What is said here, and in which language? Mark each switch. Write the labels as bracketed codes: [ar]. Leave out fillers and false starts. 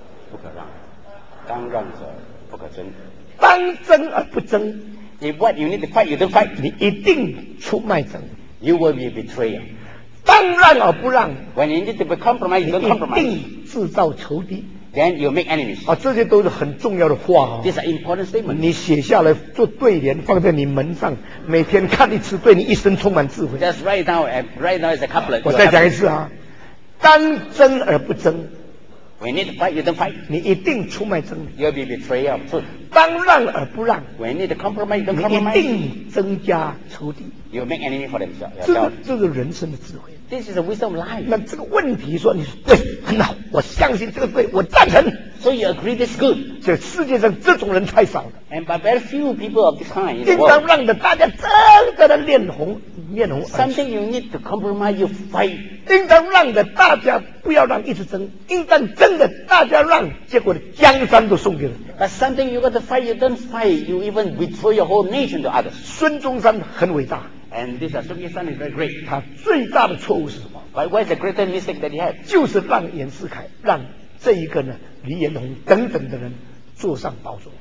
[zh] 不可让。当让者不可争，当争而不争。 [en] If what you need to fight, you don't fight. [zh] 你一定出卖者。 [en] You will be betrayer. [zh] 当让而不让。 [en] When you need to be compromised, you don't compromise. [zh] 你一定制造仇敌。 [en] Then you make enemies. [zh] 啊，这些都是很重要的话啊。 [en] These are important statements. [zh] 你写下来做对联，放在你门上，每天看一次，对你一生充满智慧。 [en] Just write down. Write down is a couplet. [zh] 我再讲一次啊，当争而不争。 [en] When you need to fight, you don't fight. [zh] 你一定出卖真理。 [en] You'll be betrayer of truth. [zh] 当让而不让。 [en] When you need to compromise, don't compromise. [zh] 你一定增加仇敌。 [en] You'll make enemy for themselves. [zh] 这个人生的智慧。 [en] This is a wisdom of life. [zh] 那这个问题说，你说对，很好，我相信这个对，我赞成。 [en] So you agree this good. [zh] 这世界上这种人太少了。 [en] And but very few people of this kind. [zh] 应当让的，大家真的来脸红，面红耳赤。 [en] Something you need to compromise, you fight. [zh] 应当让的，大家不要让，一直争；应当争的，大家让，结果的江山都送给人家。 [en] But something you got to fight, you don't fight, you even betray your whole nation to others. [zh] 孙中山很伟大。 [en] And this is 孙中山 is very great. [zh] 他最大的错误是什么 [en] ？But what is the greatest mistake that he had? [zh] 就是让袁世凯，让这一个呢，黎元洪等等的人坐上宝座。